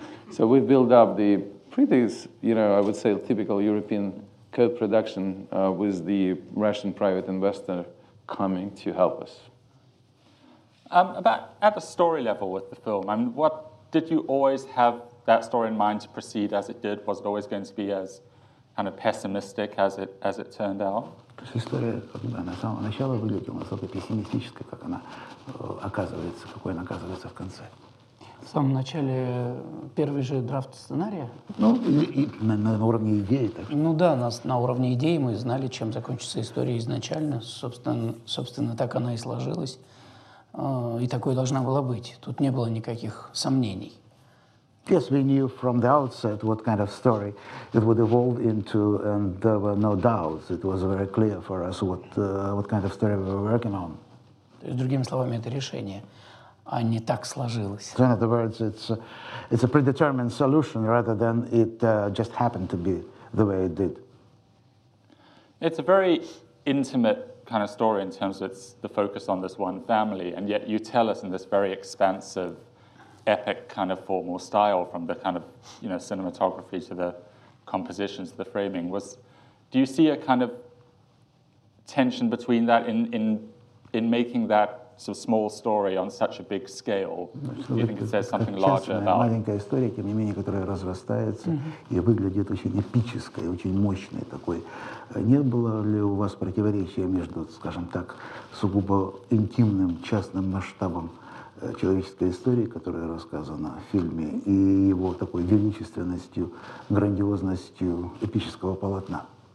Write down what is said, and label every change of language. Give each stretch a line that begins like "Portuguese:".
English: So we built up the pretty, you know, I would say typical European co-production with the Russian private investor coming to help us. About at the story level with the film, I mean, what did you always have that story in mind to proceed as it did? Was it always going to be as kind of pessimistic as it turned out?
Russian: История, когда на самом начале выглядела настолько пессимистической, как она оказывается, какой она оказывается в конце. В самом начале первый же драфт сценария. Ну и на уровне идеи, так что. Ну да, на уровне идеи мы знали, чем закончится история изначально. Собственно, так она и сложилась. И такой должна была быть. Тут не было никаких сомнений.
English: Yes, we knew from the outset what kind of story it would evolve into, and there were no doubts. It was very clear for us what kind of story we were working on.
Russian: То есть, другими словами, это решение, а не так сложилось.
English: So in other words, it's a predetermined solution rather than it just happened to be the way it did. It's a very intimate kind of story in terms of it's the focus on this one family, and yet you tell us in this very expansive epic kind of formal style, from the kind of, you know, cinematography to the compositions to the framing. Was, do you see a kind of tension between that in making that sort of small story on such a big scale? Do you think it says something larger about?
Russian: Маленькая история, тем не менее, которая разрастается и выглядит очень эпической, очень мощной такой. Не было ли у вас противоречия между, скажем так, сугубо интимным частным масштабом человеческой истории, которая рассказана в фильме, и его такой величественностью, грандиозностью эпического полотна?